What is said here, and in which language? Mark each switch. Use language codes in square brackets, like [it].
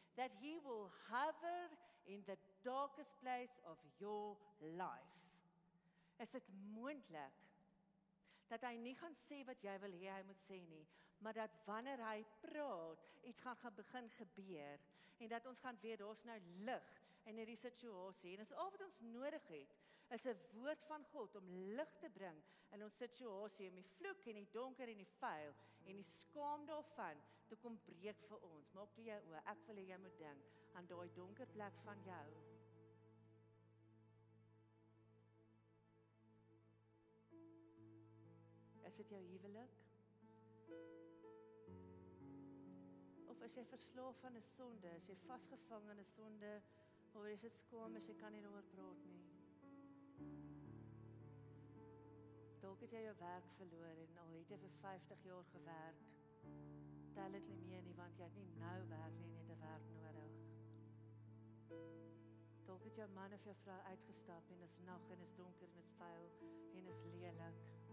[en] That he will hover in the darkest place of your life. [af] Is dit moontlik dat hy nie gaan sê wat jy wil hê hy moet sê nie, maar dat wanneer hy praat, iets gaan begin gebeur, en dat ons gaan weet, daar's nou lig in hierdie situasie, en is al wat ons nodig het, is 'n woord van God om lig te bring in ons situasie, om die vloek en die donker en die vuil en die skaam daarvan te kom breek vir ons. Maak toe jou oë, ek wil hê jy moet dink aan daai donker plek van jou. Is dit jou huwelik? Of is jy verslaaf aan 'n sonde? Is jy vasgevang aan 'n sonde waar jy so skaam is, jy kan nie daaroor praat nie? Dalk het jy jou werk verloor en al het jy vir 50 jaar gewerk, tel dit nie meer nie, want jy het nie nou werk nie en jy het 'n werk nodig. Dalk het jou man of jou vrou uitgestap en is nag en is donker en is vuil en is lelik.